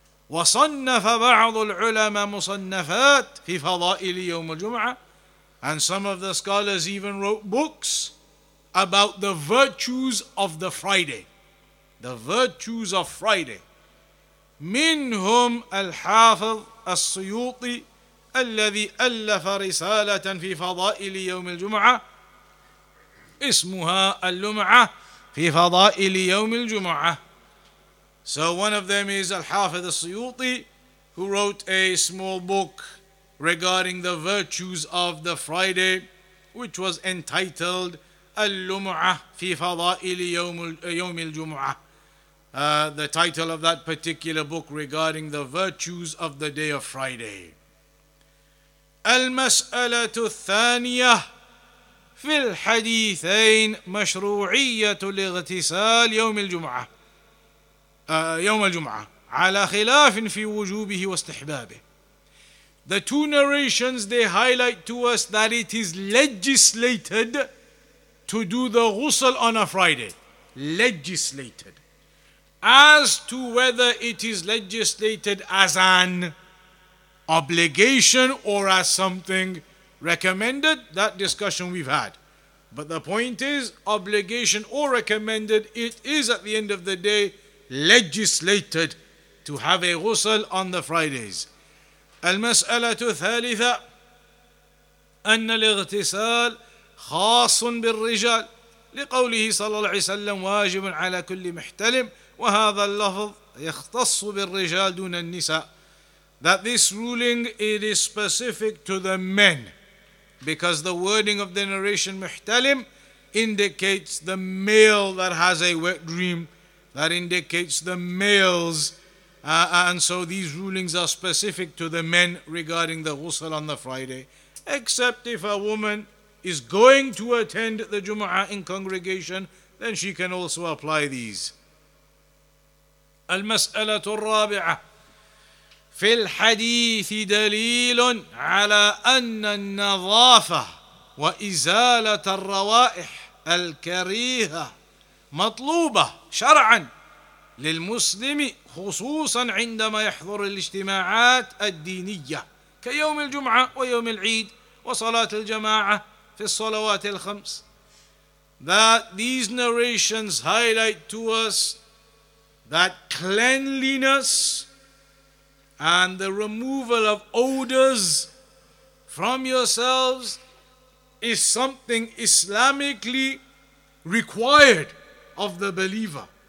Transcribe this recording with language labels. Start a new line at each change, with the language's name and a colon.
Arabic: وصنف بعض العلماء مصنفات في فضائل يوم الجمعة.
English: And some of the scholars even wrote books about the virtues of the Friday. The virtues of Friday.
Arabic: منهم الحافظ السيوطي الذي ألف رسالة في فضائل يوم الجمعة اسمها اللمعة في فضائل يوم الجمعة.
English: So one of them is Al-Hafidh Al-Suyuti, who wrote a small book regarding the virtues of the Friday, which was entitled Al-Lum'ah fi Fada'il Yawm Al-Jum'ah. The title of that particular book regarding the virtues of the day of Friday.
Arabic: Al-Mas'alatu Al-Thaniyah fi Al-Hadithayn Mashru'iyyatu Al-Ightisal Yawm Al-Jum'ah. يوم الجمعة على خلاف في وجوبه واستحبابه.
English: The two narrations, they highlight to us that it is legislated to do the ghusl on a Friday. Legislated. As to whether it is legislated as an obligation or as something recommended, that discussion we've had. But the point is, obligation or recommended, it is at the end of the day legislated to have a ghusl on the Fridays.
Arabic: المسألة الثالثة أن الاغتسال خاص بالرجال لقوله صلى الله عليه وسلم واجب على كل محتلم وهذا اللفظ يختص بالرجال دون النساء.
English: That this ruling, it is specific to the men, because the wording of the narration محتلم indicates the male that has a wet dream. That indicates the males, and so these rulings are specific to the men regarding the ghusl on the Friday. Except if a woman is going to attend the Jumu'ah in congregation, then she can also apply these.
Arabic: المسألة الرابعة في الحديث دليل على أن النظافة وإزالة الروائح الكريهة مطلوبة شرعا للمسلم خصوصا عندما يحضر الاجتماعات الدينية كيوم الجمعة ويوم العيد وصلاة الجماعة في الصلوات الخمس.
English: That these narrations highlight to us that cleanliness and the removal of odors from yourselves is something Islamically required of the believer.